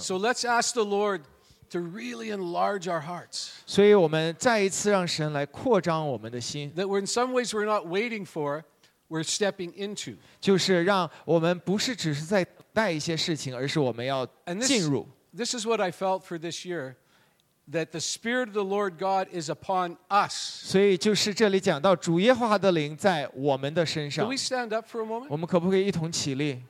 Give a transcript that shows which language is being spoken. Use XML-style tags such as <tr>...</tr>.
<en>So let's ask the Lord to really enlarge our hearts.</en> <zh>所以我们再一次让神来扩张我们的心。</zh> <en>That we're in some ways we're not waiting for, we're stepping into.</en> <zh>就是让我们不是只是在待一些事情，而是我们要进入。</zh> <en>This is what I felt for this year. That the Spirit of the Lord God is upon us.</en> <zh>所以就是这里讲到主耶和华的灵在我们的身上。</zh> <en>Can we stand up for a moment?</en> <zh>我们可不可以一同起立?</zh>